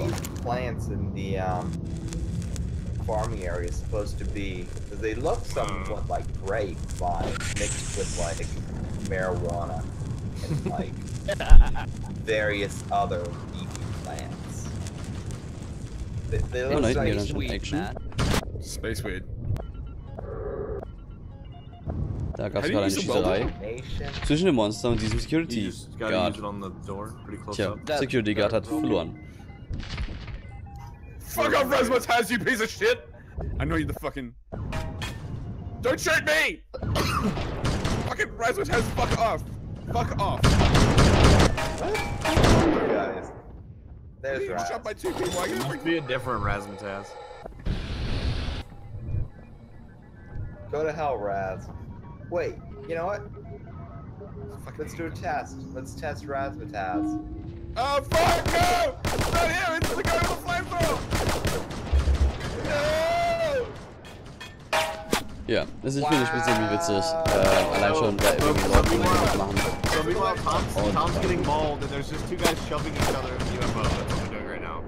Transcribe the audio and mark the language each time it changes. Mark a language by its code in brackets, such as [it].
[en] What are these plants in the farming area supposed to be? They look somewhat like grape vines mixed with like marijuana and like various other eating plants. [de] Oh nein, hier ist schon Action. [en] Space Weird. [de] Da gab es gerade eine Schießerei. Zwischen dem Monster und diesem Security Guard. Tja, Security Guard hat verloren. [en] Fuck off, Razzmatazz, you piece of shit! I know you're the fucking. Don't shoot me! Fucking Razzmatazz, fuck off! Fuck off! There's Razz. Be a different Razzmatazz. Go to hell, Razz. Wait, you know what? Let's do a test. Let's test Razzmatazz. Oh, fuck! No! It's not him! It's the guy with the flamethrower! No! [de] Ja, das ist finde ich ein bisschen witzig. Allein schon bei irgendwie so Leuten, die das machen. [en] So, meanwhile, Tom's getting mauled, and there's just two guys shoving each other in the UFO. That's what we're doing right now.